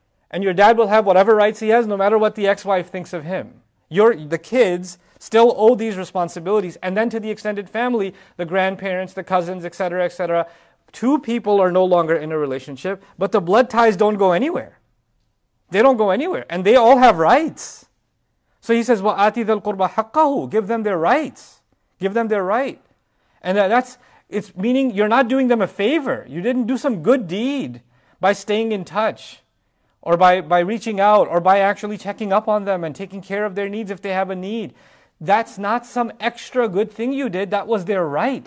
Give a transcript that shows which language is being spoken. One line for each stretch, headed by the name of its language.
English: And your dad will have whatever rights he has, no matter what the ex-wife thinks of him. The kids still owe these responsibilities. And then to the extended family, the grandparents, the cousins, etc., etc., two people are no longer in a relationship, but the blood ties don't go anywhere. They don't go anywhere. And they all have rights. So he says,
Arabic: وَآتِ ذَا الْقُرْبَ حَقَّهُ.
English: Give them their rights. Give them their right. And it's meaning you're not doing them a favor. You didn't do some good deed by staying in touch or by reaching out or by actually checking up on them and taking care of their needs if they have a need. That's not some extra good thing you did. That was their right.